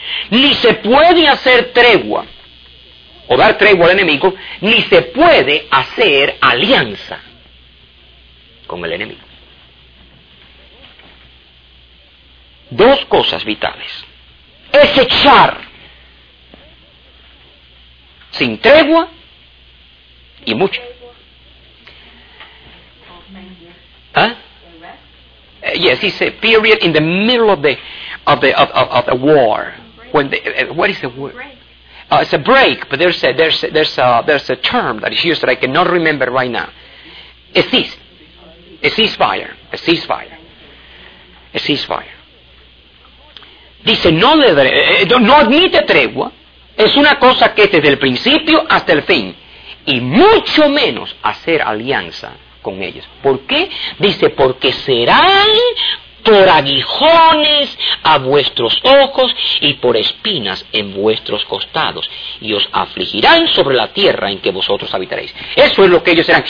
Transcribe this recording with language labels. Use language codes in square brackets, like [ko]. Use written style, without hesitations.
[es] Ni se puede hacer tregua, o dar tregua al enemigo, ni se puede hacer alianza con el enemigo. Dos cosas vitales. Es echar sin tregua y mucho. ¿Ah? [en] Yes, he said, period, in the middle of the war. What is the word? Break. It's a break, but there's a term that is used that I cannot remember right now. A ceasefire. a ceasefire. [es] Dice, no admite tregua, es una cosa que es desde el principio hasta el fin, y mucho menos hacer alianza con ellos. ¿Por qué? Dice, porque serán por aguijones a vuestros ojos y por espinas en vuestros costados, y os afligirán sobre la tierra en que vosotros habitaréis. Eso es lo que ellos serán.